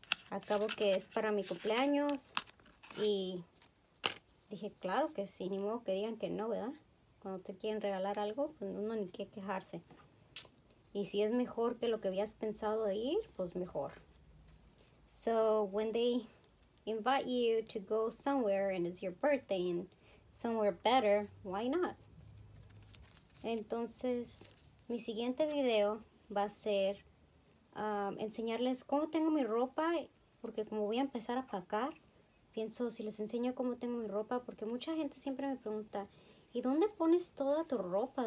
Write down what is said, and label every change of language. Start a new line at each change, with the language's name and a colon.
Spanish: Acabo que es para mi cumpleaños y dije, claro que sí, ni modo que digan que no, ¿verdad? Cuando te quieren regalar algo, pues uno ni qué quejarse. Y si es mejor que lo que habías pensado ir, pues mejor.
English: So, when they invite you to go somewhere and it's your birthday and somewhere better, why not?
Spanish: Entonces, mi siguiente video va a ser enseñarles cómo tengo mi ropa. Porque como voy a empezar a pagar, pienso si les enseño cómo tengo mi ropa. Porque mucha gente siempre me pregunta... ¿Y dónde pones toda tu ropa?